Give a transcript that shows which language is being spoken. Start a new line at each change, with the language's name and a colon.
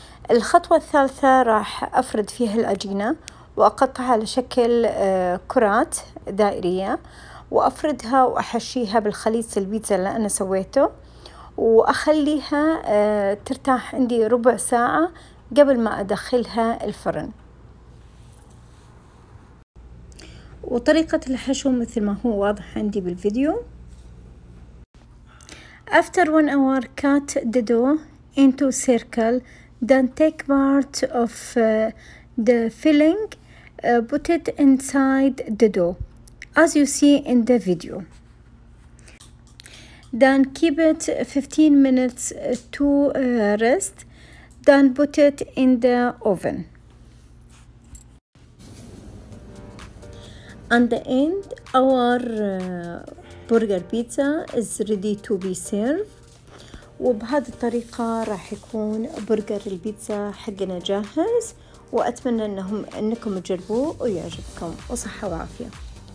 Arabic: الخطوة الثالثة، راح أفرد فيها العجينة وأقطعها لشكل كرات دائرية، وأفردها وأحشيها بالخليط البيتزا اللي أنا سويته، وأخليها ترتاح عندي ربع ساعة قبل ما أدخلها الفرن. وطريقة الحشو مثل ما هو واضح عندي بالفيديو.
English: After 1 hour, cut the dough into circle, then take part of the filling, put it inside the dough as you see in the video, then keep it 15 minutes to rest, then put it in the oven. On the end, our burger pizza is ready to be served.
Arabic: وبهذه الطريقة راح يكون برجر البيتزا حقنا جاهز، وأتمنى أنكم تجربوه ويعجبكم. وصحة وعافية.